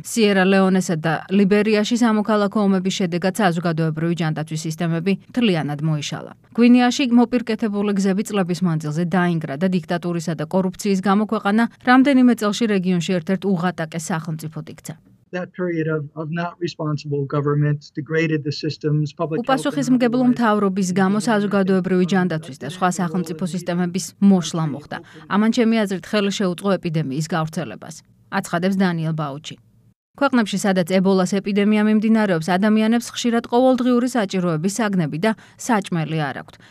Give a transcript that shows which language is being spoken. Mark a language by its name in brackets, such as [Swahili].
[Georgian] სიერა-ლეონესა და ლიბერიაში სამოქალაქო ომების შედეგად საზოგადოებრივი ჯანდაცვის სისტემები მთლიანად მოიშალა. გვინეაში მოპირკეთებული გზები წლების მანძილზე დაინგრა და დიქტატურისა და კორუფციის გამო ქვეყანა რამდენიმე წელში რეგიონში ერთ-ერთ უღატაკეს სახელმწიფოდ იქცა. [English] That period of not responsible governments degraded the systems, public health. [Georgian] Უპასუხისმგებლო მთავრობის გამო საზოგადოებრივი ჯანდაცვის და სხვა სახელმწიფო სისტემების მოშლა მოხდა. ამან ჩემი აზრით ხელი შეუწყო ეპიდემიის გავრცელებას. აცხადებს დანიელ ბაუჩი. ქვეყნებში, სადაც ებოლას ეპიდემია მიმდინარეობს, ადამიანებს ხშირად ყოველდღიური საჭიროების საგნები და საჭმელი არ აქვთ.